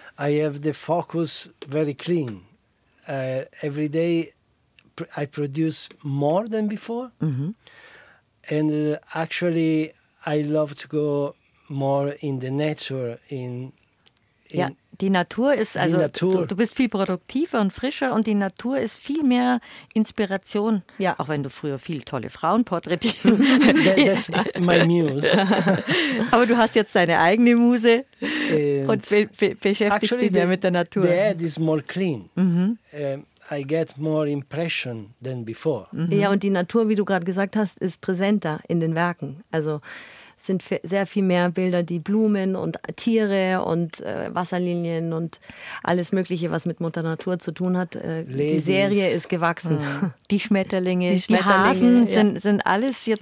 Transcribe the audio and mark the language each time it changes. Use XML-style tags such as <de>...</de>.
<en>I have the focus very clean. Every day I produce more than before, and actually I love to go more in the nature.</en> <de>Ja, die Natur ist, also Natur. Du bist viel produktiver und frischer und die Natur ist viel mehr Inspiration, ja. Auch wenn du früher viel tolle Frauen porträtierst.</de> <en>That's my muse.</en> <de>Aber du hast jetzt deine eigene Muse und beschäftigst dich mehr mit der Natur.</de> <en>The air is more clean. I get more impression than before.</en> <de>Ja, und die Natur, wie du gerade gesagt hast, ist präsenter in den Werken. Also sind sehr viel mehr Bilder, die Blumen und Tiere und Wasserlinien und alles Mögliche, was mit Mutter Natur zu tun hat. Die Serie ist gewachsen. Die Schmetterlinge, die Hasen sind alles jetzt</de>